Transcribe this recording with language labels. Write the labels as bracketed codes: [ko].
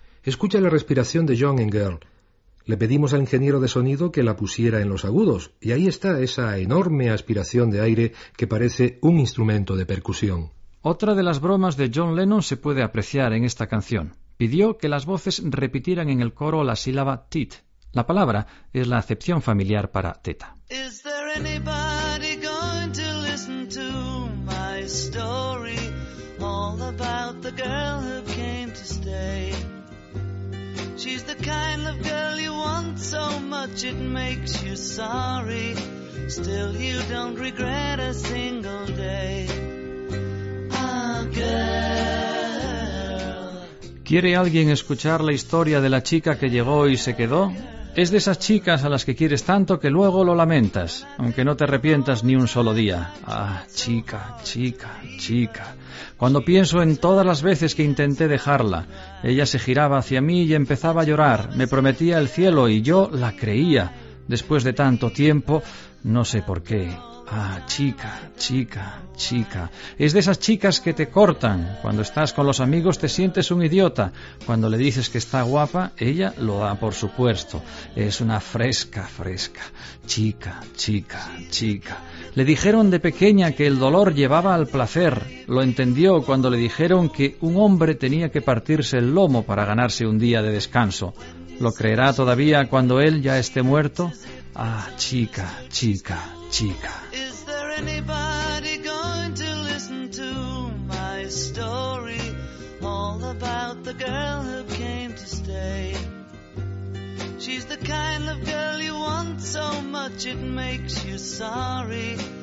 [es] Escucha la respiración de John en Girl. Le pedimos al ingeniero de sonido que la pusiera en los agudos y ahí está esa enorme aspiración de aire que parece un instrumento de percusión. Otra de las bromas de John Lennon se puede apreciar en esta canción. Pidió que las voces repitieran en el coro la sílaba tit. La palabra es la acepción familiar para teta. [en] Is there anybody going to listen to my story? All about the girl who came to stay. She's the kind of girl you want so much it makes you sorry. Still you don't regret a single day. Ah, girl. [es] ¿Quiere alguien escuchar la historia de la chica que llegó y se quedó? Es de esas chicas a las que quieres tanto que luego lo lamentas, aunque no te arrepientas ni un solo día. Ah, chica, chica, chica. Cuando pienso en todas las veces que intenté dejarla, ella se giraba hacia mí y empezaba a llorar. Me prometía el cielo y yo la creía. Después de tanto tiempo, no sé por qué. Ah, chica, chica, chica. Es de esas chicas que te cortan. Cuando estás con los amigos te sientes un idiota. Cuando le dices que está guapa, ella lo da por supuesto. Es una fresca, fresca. Chica, chica, chica. Le dijeron de pequeña que el dolor llevaba al placer. Lo entendió cuando le dijeron que un hombre tenía que partirse el lomo para ganarse un día de descanso. ¿Lo creerá todavía cuando él ya esté muerto? Ah, chica, chica, chica. [en] Is there anybody going to listen to my story? All about the girl who came to stay. She's the kind of girl you want so much it makes you sorry.